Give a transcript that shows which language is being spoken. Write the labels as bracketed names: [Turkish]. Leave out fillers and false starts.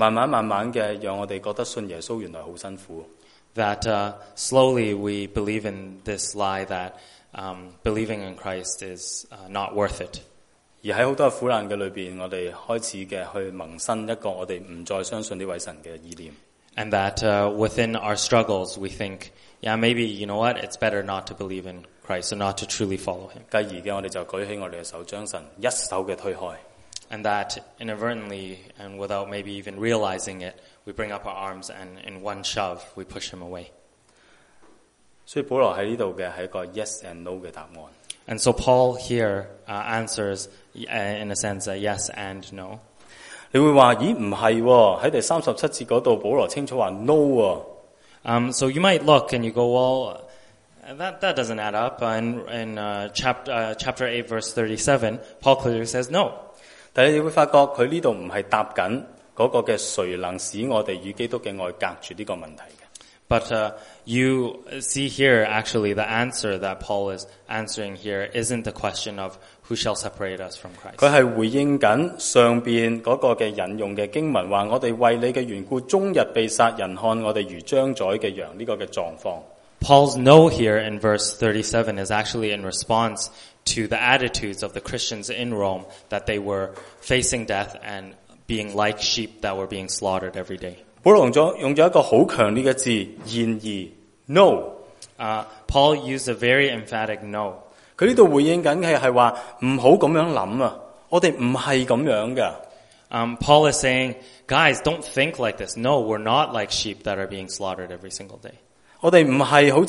[Chinese] 慢慢的让我们觉得信耶稣原来很辛苦。 [English] That slowly we believe in this lie that believing in Christ is not worth it. [Chinese] 而在很多苦难里面，我们开始去萌生一个我们不再相信这位神的意念。 [English] And that within our struggles, we think, yeah, maybe, you know what, it's better not to believe in Christ and not to truly follow Him. [Chinese] 继而的，我们就举起我们的手，将神一手的推开。 [English] And that inadvertently and without maybe even realizing it, we bring up our arms and in one shove, we push Him away. [Chinese] 所以保罗在这里是一个 [English] yes and no [Chinese] 的答案。 [English] And so Paul here answers in a sense a yes and no. [Chinese] 你会说,咦,不是,在第37节那里,保罗清楚说no. [English] So you might look and you go, well, that doesn't add up. In chapter 8, verse 37, Paul clearly says no. [Chinese] 但你会发觉,他这里不是在答那个谁能使我们与基督的爱隔绝这个问题。 [English] But you see here, actually, the answer that Paul is answering here isn't the question of who shall separate us from Christ. [Chinese] 他是回应上面那个引用的经文，说我们为你的缘故终日被杀人，看我们如将宰的羊，这个状况。 [English] Paul's no here in verse 37 is actually in response to the attitudes of the Christians in Rome that they were facing death and being like sheep that were being slaughtered every day. [Chinese] 保罗用了一个很强烈的字，然而 no. [English] Paul used a very emphatic no. [Chinese] 他这里回应的是说，不要这样想啊，我们不是这样的。 [English] Paul is saying, guys, don't think like this. No, we're not like sheep that are being slaughtered every single day.